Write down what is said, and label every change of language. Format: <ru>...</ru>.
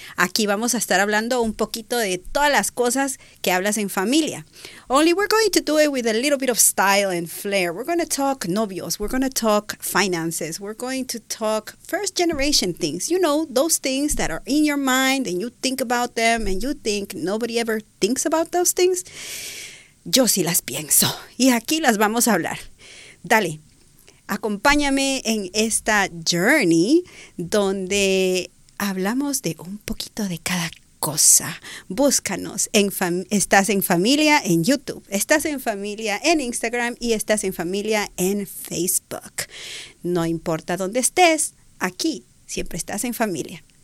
<es>Aquí vamos a estar hablando un poquito de todas las cosas que hablas en familia.</es> <en>Only we're going to do it with a little bit of style and flair. We're going to talk novios. We're going to talk finances. We're going to talk first generation things. You know, those things that are in your mind and you think about them and you think nobody ever thinks about those things.</en> <es>Yo sí las pienso y aquí las vamos a hablar. Dale, acompáñame en esta</es> <en>journey</en> <es>donde hablamos de un poquito de cada cosa. Búscanos, estás en familia en YouTube, estás en familia en Instagram y estás en familia en Facebook. No importa dónde estés, aquí siempre estás en familia.</es>